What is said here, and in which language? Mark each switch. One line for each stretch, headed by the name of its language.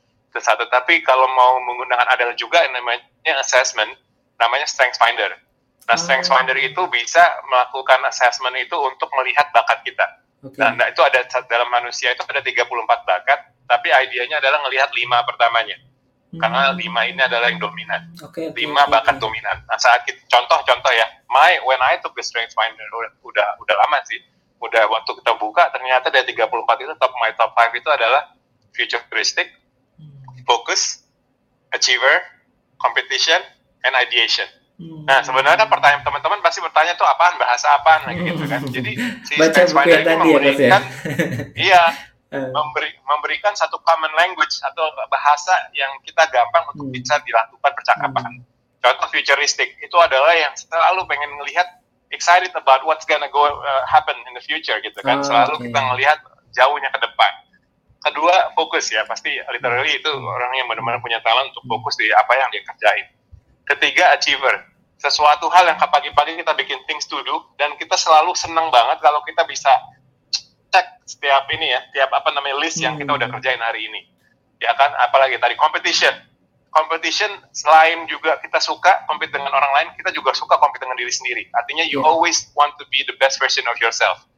Indonesian: Itu satu, tapi kalau mau menggunakan ada juga namanya assessment, namanya strength finder. Nah, strength finder itu bisa melakukan assessment itu untuk melihat bakat kita. Okay. Nah, itu ada dalam manusia itu ada 34 bakat, tapi idenya adalah ngelihat 5 pertamanya. Karena 5 ini adalah yang dominan. Okay, 5 okay, bakat okay. dominan. Nah, saat kita contoh-contoh ya.
English: When I took the strength finder
Indonesian: udah lama sih. Udah waktu kita buka ternyata dari 34 itu top 5 itu adalah futuristic, focus, achiever, competition, and ideation. Nah, sebenarnya pertanyaan teman-teman pasti bertanya tuh apaan, bahasa apaan, gitu kan. Jadi, si Strength Finder itu memberikan, ya, iya, memberikan satu common language atau bahasa yang kita gampang untuk bisa dilakukan percakapan. Contoh futuristik, itu adalah yang selalu pengen melihat,
English: excited about what's gonna go happen in the future,
Indonesian: gitu kan. Selalu kita melihat jauhnya ke depan. Kedua, fokus ya. Pasti literally itu orang yang benar-benar punya talent untuk fokus di apa yang dia kerjain. Ketiga, achiever. Sesuatu hal yang pagi-pagi kita bikin
English: things to do,
Indonesian: dan kita selalu senang banget kalau kita bisa cek setiap ini ya, setiap apa namanya list yang kita udah kerjain hari ini. Ya kan, apalagi tadi, competition. Competition, selain juga kita suka compete dengan orang lain, kita juga suka compete dengan diri sendiri. Artinya,
English: you always want to be the best version of yourself.